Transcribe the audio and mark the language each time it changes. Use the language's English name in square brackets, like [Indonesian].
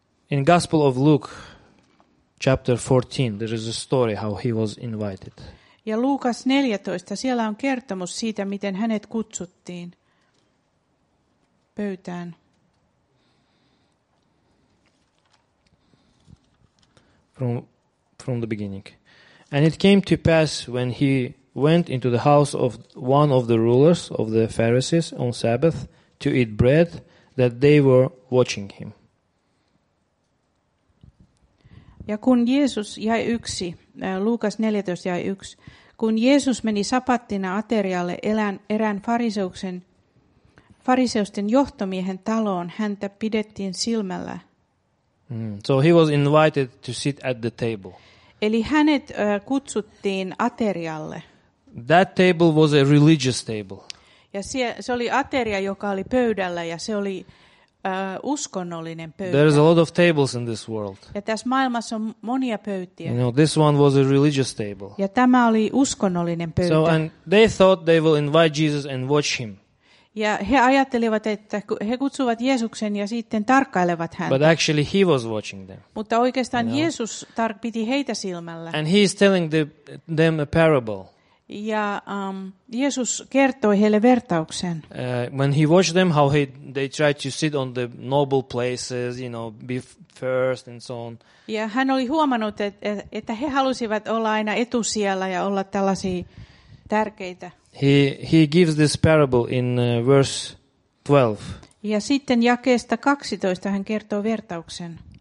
[English] In Gospel of Luke chapter 14 there is a story how he was invited. [Finnish] Ja Luukas 14, siellä on kertomus siitä, miten hänet kutsuttiin pöytään. [English] From the beginning. And it came to pass when he went into the house of one of the rulers of the Pharisees on Sabbath to eat bread, that they were watching him. [Finnish] Ja kun Jeesus jäi yksi, Luukas 14 jäi yksi, kun Jeesus meni sapattina aterialle erään fariseusten johtomiehen taloon, häntä pidettiin silmällä. [English] So he was invited to sit at the table. [Finnish] Eli hänet kutsuttiin aterialle. [English] That table was a religious table. [Finnish] Ja se oli ateria, joka oli pöydällä, ja se oli uskonnollinen pöytä. [English] There is a lot of tables in this world. [Finnish] Ja tässä maailmassa on monia pöytiä. [English] You know, this one was a religious table. [Finnish] Ja tämä oli uskonnollinen pöytä. [English] So and they thought they will invite Jesus and watch him. [Finnish] Ja he ajattelivat, että he kutsuvat Jeesuksen ja sitten tarkkailevat häntä. [English] But actually he was watching them. [Finnish] Mutta oikeastaan Jeesus piti heitä silmällä. [English] And he is telling them a parable. [Finnish] Ja Jeesus kertoi heille vertauksen. [English] When he watched them, how they tried to sit on the noble places, you know, be first and so on. [Finnish] Ja hän oli huomannut, että he halusivat olla aina etusijalla ja olla tällaisia tärkeitä. [English] He gives this parable in verse 12. [Finnish] Ja sitten jakeesta 12 hän kertoo vertauksen.